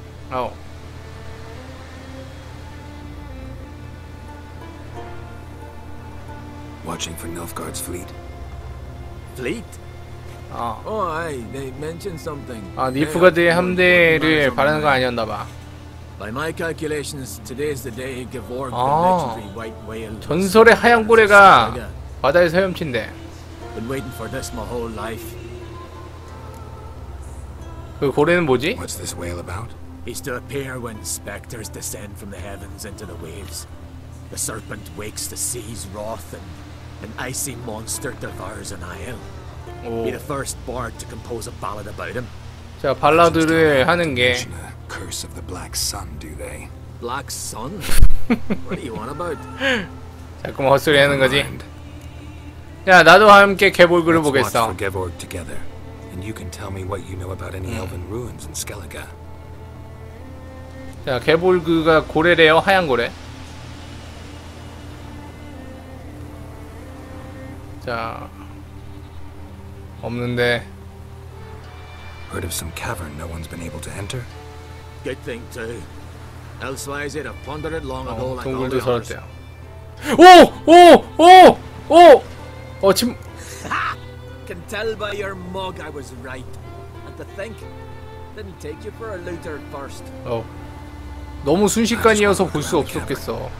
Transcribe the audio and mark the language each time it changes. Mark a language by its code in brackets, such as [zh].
[en] 아오. 'Watching for Nilfgaard's fleet. Fleet? Oh, I. They mentioned something. [ko] 아, 닐프가드의 함대를 바라는 거 아니었나 봐. [en] By my calculations, today is the day Gavorg, the legendary white whale. [ko] 전설의 하얀 고래가 바다에 헤엄친대. [en] Been waiting for this my whole life. [ko] 그 고래는 뭐지? [en] What's this whale about? He's to appear when specters descend from the heavens into the waves. The serpent wakes the sea's wrath, and an icy monster devours an isle. Be the first bard to compose a ballad about him. [ko] 자, 발라드를 하는 게. [en] Curse of the Black Sun, do they? Black Sun? What do you want about? [ko] 자꾸 헛소리 하는 거지. 야, 나도 함께 개볼그를 보겠어. [en] Let's watch for Gevorg together, and you can tell me what you know about any elven ruins in Skellige. [ko] 자, 개볼그가 고래래요, 하얀 고래. 자. 없는데. [en] Heard of some cavern no one's been able to enter? Good thing too. Elsewise, it pondered it long ago. [ko] 동굴도 서렸대요. 오오오오 어, 지금. [en] Can tell by your mug I was right. And to think, didn't take you for a looter first. 어. [ko] 너무 순식간이어서 볼 수 없었겠어.